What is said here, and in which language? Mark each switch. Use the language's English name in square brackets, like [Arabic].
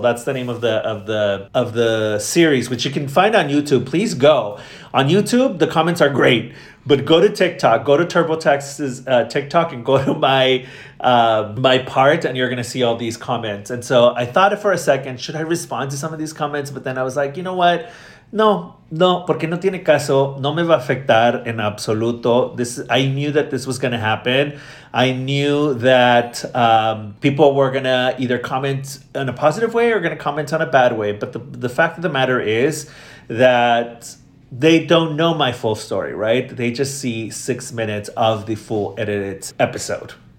[English] That's the name of the series, which you can find on YouTube. Please go on YouTube. The comments are great, but go to TikTok, go to TurboTax's TikTok and go to my part and you're going to see all these comments. And so I thought for a second, should I respond to some of these comments? But then I was like, you know what? [Spanish] No, porque no tiene caso, no me va a afectar en absoluto. [English] I knew that this was going to happen. I knew that people were going to either comment in a positive way or going to comment on a bad way. But the fact of the matter is that they don't know my full story, right? They just see 6 minutes of the full edited episode.